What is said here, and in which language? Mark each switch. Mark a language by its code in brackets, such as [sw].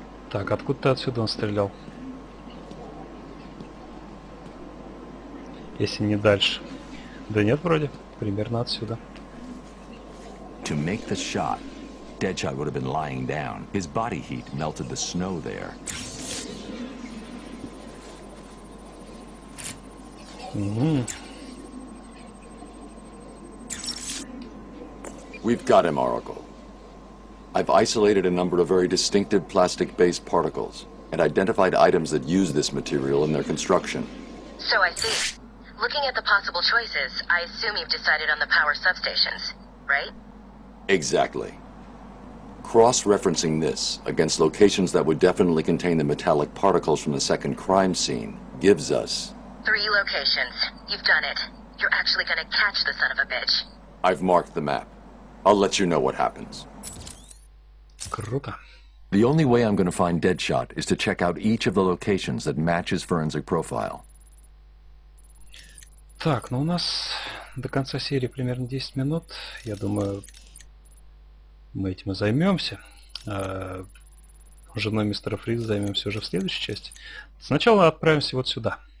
[ru] Так, откуда ты отсюда он стрелял? Если не дальше. Да нет, вроде, примерно отсюда. [en] To make the shot, Deadshot would have been lying down. His body heat melted the snow there. Mm-hmm. We've got him, Oracle. I've isolated a number of very distinctive plastic-based particles. and identified items that use this material in their construction. So I see. Looking at the possible choices, I assume you've decided on the power substations, right? Exactly. Cross-referencing this against locations that would definitely contain the metallic particles from the second crime scene gives us... 3 locations. You've done it. You're actually gonna catch the son of a bitch. I've marked the map. I'll let you know what happens. [ru] Круто. [en] The only way I'm gonna find Deadshot is to check out each of the locations that matches forensic profile. [ru] Так, ну у нас до конца серии примерно 10 минут. Я думаю, мы этим и займемся. Женой мистера Фриза займемся уже в следующей части. Сначала отправимся вот сюда.